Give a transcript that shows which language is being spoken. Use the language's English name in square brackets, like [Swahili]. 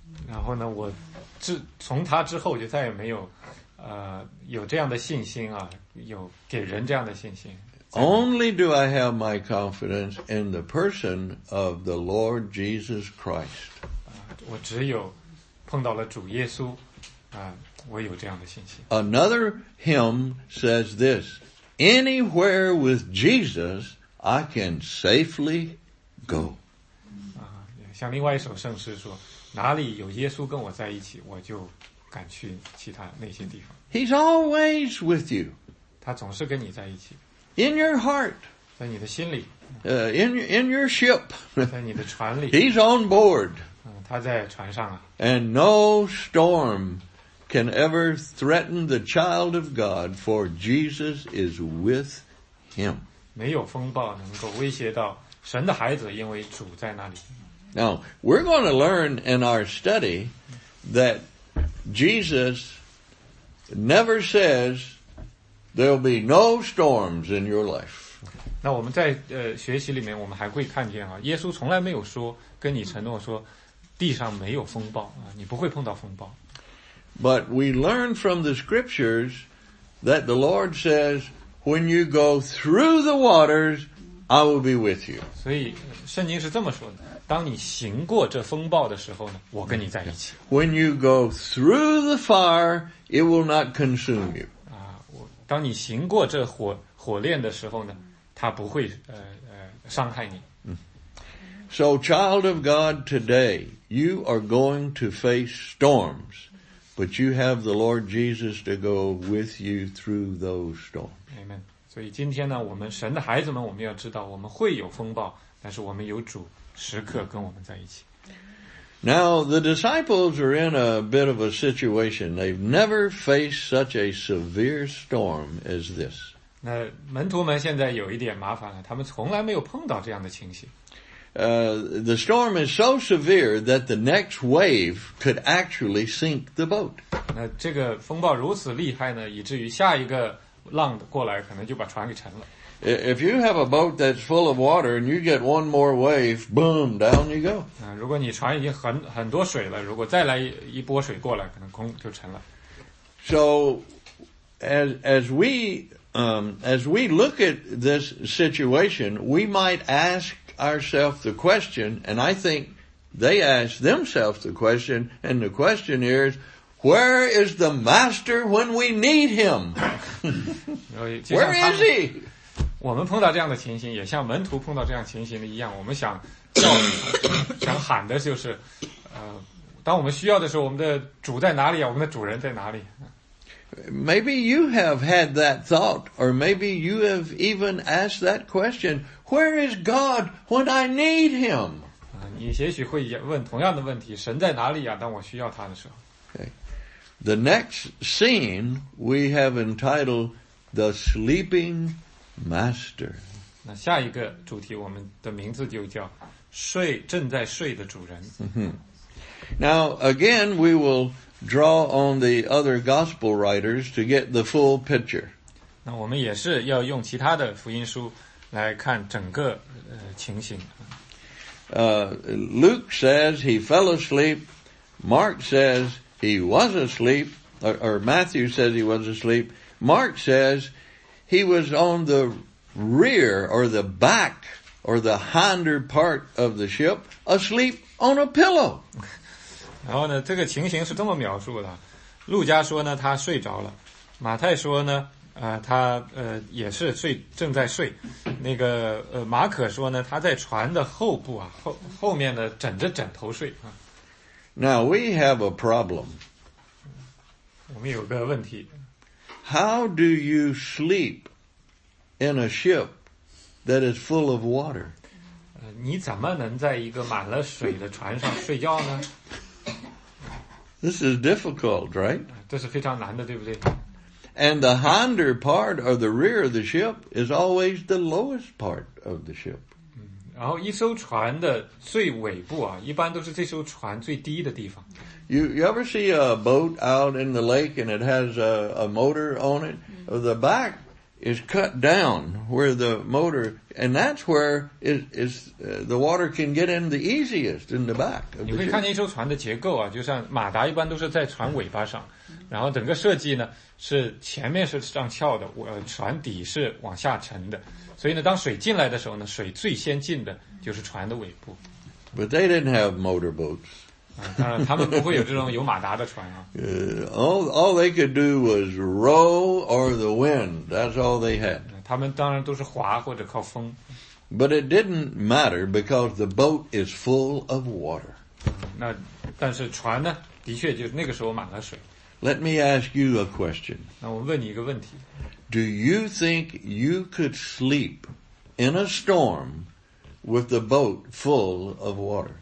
[Chinese] 然后呢，我从他之后就再也没有有这样的信心啊，有给人这样的信心。 [English] Only do I have my confidence in the person of the Lord Jesus Christ. [Chinese] 我只有碰到了主耶稣我有这样的信心。 [English] Another hymn says this. Anywhere with Jesus, I can safely go. [Chinese] 像另外一首圣诗说，哪里有耶稣跟我在一起，我就敢去其他那些地方。 [English] He's always with you. [Chinese] 他总是跟你在一起。 [English] In your heart. [Chinese] 在你的心里。 [English] In your ship. [Chinese] 在你的船里。 [English] He's on board. [Chinese] 他在船上啊。 [English] And no stormcan ever threaten the child of God, for Jesus is with him. [Chinese] 没有风暴能够威胁到神的孩子，因为主在那里。 [English] Now, we're going to learn in our study that Jesus never says there'll be no storms in your life. [Chinese] 那我们在学习里面我们还会看见啊，耶稣从来没有说跟你承诺说地上没有风暴啊，你不会碰到风暴。 [English] But we learn from the scriptures that the Lord says, when you go through the waters, I will be with you. [Chinese] 所以圣经是这么说的，当你行过这风暴的时候呢，我跟你在一起。 [English] When you go through the fire, it will not consume you. [Chinese] 啊，我当你行过这火炼的时候呢，它不会伤害你。 [English] So child of God, today you are going to face storms, but you have the Lord Jesus to go with you through those storms. Amen. [Chinese] 所以今天呢，我们神的孩子们，我们要知道我们会有风暴，但是我们有主时刻跟我们在一起。 [English] Now the disciples are in a bit of a situation. They've never faced such a severe storm as this. [Chinese] 那门徒们现在有一点麻烦了，他们从来没有碰到这样的情形。 [English] The storm is so severe that the next wave could actually sink the boat. [Chinese] 那这个风暴如此厉害呢，以至于下一个浪过来可能就把船给沉了。 [English] If you have a boat that's full of water and you get one more wave, boom, down you go. [Chinese] 如果你船已经很多水了，如果再来一波水过来，可能空就沉了。 [English] So, as we look at this situation, we might ask ourselves the question, and I think they ask themselves the question, and the question is, where is the master when we need him? Where is he? [Chinese] 我们碰到这样的情形，也像门徒碰到这样情形的一样，我们想叫想喊的就是当我们需要的时候，我们的主在哪里啊？我们的主人在哪里？ [English] Maybe you have had that thought, or maybe you have even asked that question, where is God when I need him? [Chinese] 你也许会问同样的问题，神在哪里啊，当我需要他的时候。 [English] Okay. The next scene we have entitled The Sleeping Master. [Chinese] 那下一个主题我们的名字就叫正在睡的主人。 [English] Now, again, we will draw on the other gospel writers to get the full picture. [Chinese] 那我们也是要用其他的福音书来看整个情形。 [English] Luke says he fell asleep. Mark says he was asleep. Or Matthew says he was asleep. Mark says he was on the rear or the back or the hinder part of the ship asleep on a pillow. [Chinese] 然后呢，这个情形是这么描述的：路加说呢，他睡着了；马太说呢，也是正在睡。那个马可说呢，他在船的后部啊，后面呢枕着枕头睡啊。 [English] Now we have a problem. [Chinese] 我们有个问题。 [English] How do you sleep in a ship that is full of water? [Chinese] 你怎么能在一个满了水的船上睡觉呢？ [English] This is difficult, right? [Chinese] 这是非常难的，对不对？ [English] And the hinder part or the rear of the ship is always the lowest part of the ship. [Chinese] 然后一艘船的最尾部啊，一般都是这艘船最低的地方。 [English] You ever see a boat out in the lake and it has a motor on it? The back is cut down where the motor, and that's where the water can get in the easiest in the back. [Chinese] 你会看见一艘船的结构啊，就像马达一般都是在船尾巴上，然后整个设计呢是前面是上翘的，船底是往下沉的，所以呢当水进来的时候呢，水最先进的就是船的尾部。 [English] But they didn't have motor boats. [Chinese] 当然他们不会有这种有马达的船啊。 [English] All they could do was row or the wind. That's all they had. [Chinese] 他们当然都是划或者靠风。 [English] But it didn't matter because the boat is full of water. [Chinese] 那但是船呢，的确就那个时候满了水。 [English] Let me ask you a question. [Chinese] 那我问你一个问题。 [English] Do you think you could sleep in a storm with the boat full of water?